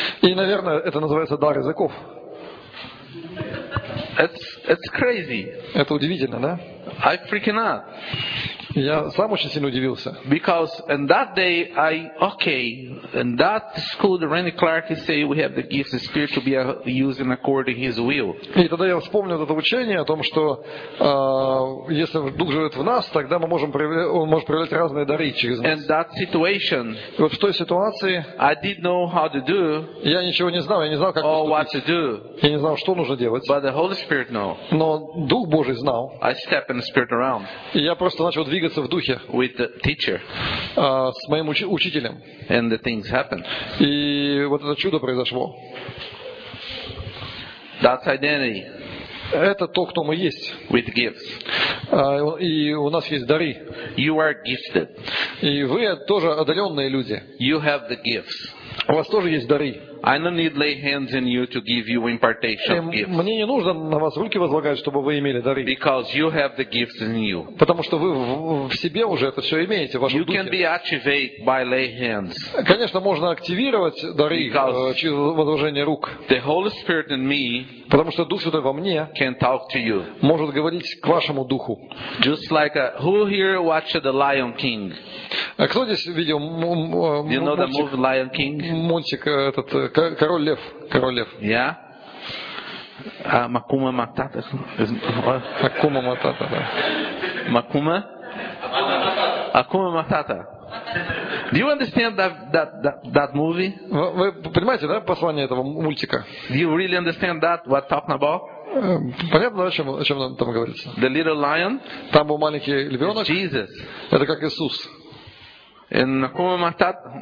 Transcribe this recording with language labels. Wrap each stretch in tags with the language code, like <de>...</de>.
<ru>И, наверное, это называется дар языков.</ru> <en>It's crazy.</en> <ru>Это удивительно, да?</ru> <en>I freaking out.</en> <ru>Я сам очень сильно удивился.</ru> <en>Because in that day I okay, in that school the Randy Clark he said we have the gifts of spirit to be using according his will.</en> <ru>И тогда я вспомнил это учение о том, что если Дух живет в нас, тогда мы можем он может проявлять разные дары через нас.</ru> <en>In that situation.</en> <ru>И вот в той ситуации.</ru> <en>I didn't know how to do.</en> <ru>Я ничего не знал, я не знал как.</ru> <en>Or what to do.</en> <ru>Я не знал, что нужно делать.</ru> <en>But the Holy Spirit knew.</en> <ru>Но Дух Божий знал.</ru> <en>I stepped in the Spirit around.</en> <ru>И я просто начал двигаться в духе</ru> <en>with the teacher,</en> <ru>с моим учителем.</ru> <en>And the things happened.</en> <ru>И вот это чудо произошло.</ru> <en>That's identity.</en> <ru>Это то, кто мы есть.</ru> <en>With gifts.</en> <ru>И у нас есть дары.</ru> <en>You are gifted.</en> <ru>И вы тоже одаренные люди.</ru> <en>You have the gifts.</en> <ru>У вас тоже есть дары.</ru> <en>I don't need lay hands on you to give you impartation of gifts.</en> <ru>Мне не нужно на вас руки возлагать, чтобы вы имели дары.</ru> <en>Because you have the gifts in you.</en> <ru>Потому что вы в себе уже это все имеете, в вашем</ru> <en>you</en> <ru>духе.</ru> <en>You can be activated by lay hands.</en> <ru>Конечно, можно активировать дары через возложение рук.</ru> <en>The Holy Spirit in me.</en> <ru>Потому что Дух Святой во мне.</ru> <en>Can talk to you.</en> <ru>Может говорить к вашему духу.</ru> <en>Just like who here watched the Lion King?</en> <ru>А кто здесь видел</ru> <en>you know the movie Lion King?</en> <ru>Мультик этот Король Лев. Король Лев. Я? Макума Матата. Акума Матата. Макума? Акума Матата.</ru> <en>Do you understand that movie?</en> <ru>Вы понимаете, да, послание этого мультика?</ru> <en>Do you really understand that what talking about?</en> <ru>Понятно, о чем там говорится?</ru> <en>The little lion.</en> <ru>Там был маленький львенок.</ru> <en>Jesus.</en> <ru>Это как Иисус.</ru> <en>And Акума Матата.</en>